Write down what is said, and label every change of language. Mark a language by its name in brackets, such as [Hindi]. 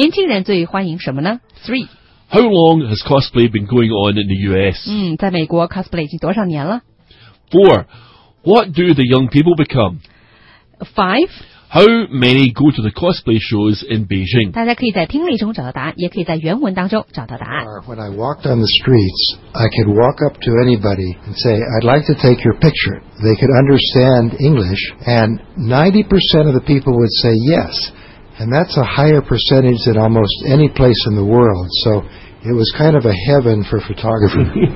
[Chinese] 年轻人最欢迎什么呢? [English] Three, how long has cosplay been going on in the US? [Chinese] 在美国cosplay已经多少年了? [English] Four, what do the young people become? Five, how many go to the cosplay shows in Beijing? [Chinese] 大家可以在听力中找到答案, 也可以在原文当中找到答案。 [English] When I walked on the streets, I could walk up to anybody and say, I'd like to take your picture. They could understand English, and 90% of the people would say yes. And that's a higher percentage than almost any place in the world. So it was kind of a heaven for photography.